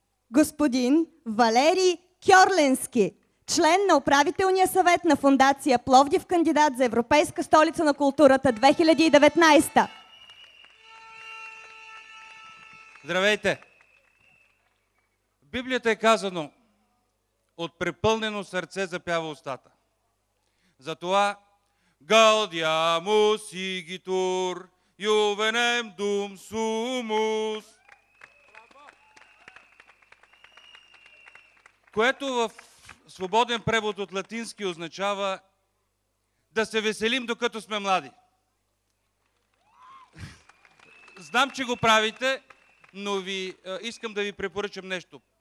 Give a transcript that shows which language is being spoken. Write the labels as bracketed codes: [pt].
[bg] Господин Валери Кьорленски, член на управителния съвет на фондация Пловдив, кандидат за Европейска столица на културата 2019. Здравейте! В Библията е казано: от препълнено сърце запява устата. [la] Затова Гаудиамус игитур, ювенем дум сумус. [bg] Което в свободен превод от латински означава: да се веселим, докато сме млади. Знам, че го правите, но искам да ви препоръчам нещо.